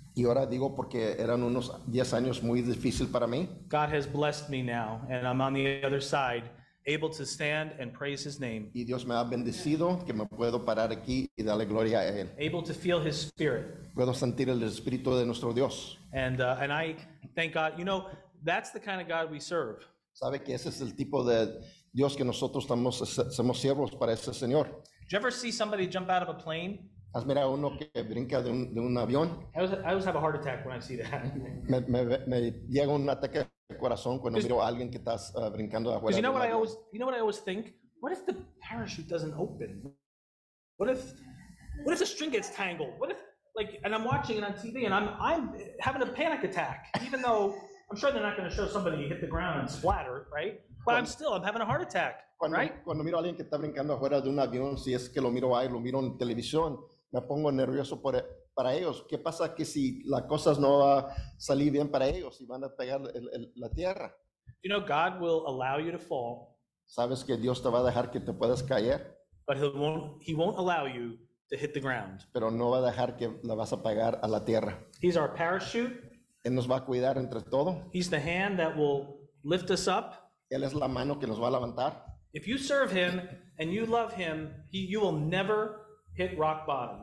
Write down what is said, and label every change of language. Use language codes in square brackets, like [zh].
[es] y ahora digo porque eran unos 10 años muy difícil para mí, [en] God has blessed me now, and I'm on the other side, able to stand and praise his name. [es] Y Dios me ha bendecido que me puedo parar aquí y darle gloria a él. [en] Able to feel his spirit. [es] Puedo sentir el espíritu de nuestro Dios. [en] And I thank God. You know, that's the kind of God we serve. [es] ¿Sabe que ese es el tipo de Dios que nosotros estamos, somos siervos para ese Señor? [en] Did you ever see somebody jump out of a plane? [es] ¿Has mirado uno que brinca de un avión? [en] I always have a heart attack when I see that. [es] me llega un ataque de corazón cuando miro a alguien que estás brincando afuera. [en] You know what I always, you know what I always think? What if the parachute doesn't open? What if the string gets tangled? What if, like, and I'm watching it on TV and I'm having a panic attack, even though I'm sure they're not going to show somebody hit the ground and splatter, right? But I'm having a heart attack, [es] cuando, [en] right? [es] Cuando miro a alguien que está brincando afuera de un avión, si es que lo miro ahí, lo miro en televisión, me pongo nervioso para ellos. ¿Qué pasa que si las cosas no va a salir bien para ellos y van a pegar la tierra? [en] You know, God will allow you to fall. [es] ¿Sabes que Dios te va a dejar que te puedas caer? [en] But he won't allow you to hit the ground. [es] Pero no va a dejar que la vas a pegar a la tierra. [en] He's our parachute. [es] Él nos va a cuidar entre todo. [en] He's the hand that will lift us up. [es] Él es la mano que nos va a levantar. [en] If you serve him and you love him, you will never hit rock bottom.